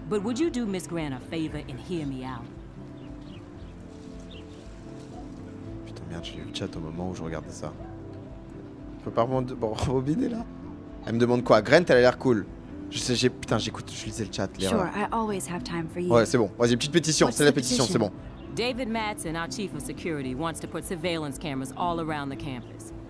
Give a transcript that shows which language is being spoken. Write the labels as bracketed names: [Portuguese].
[English] But would you do Miss Grant a favor and hear me out? [French] Putain, merde, j'ai eu le chat au moment où je regardais ça. Je peux pas rebobiner là ? Elle me demande quoi ? Grant, elle a l'air cool. Je lisais le chat, l'erreur. [English] Sure, [French] ouais, c'est bon. Vas-y, petite pétition, c'est la pétition, c'est bon. [English] David Mattson, our chief of security, wants to put surveillance cameras all around the campus.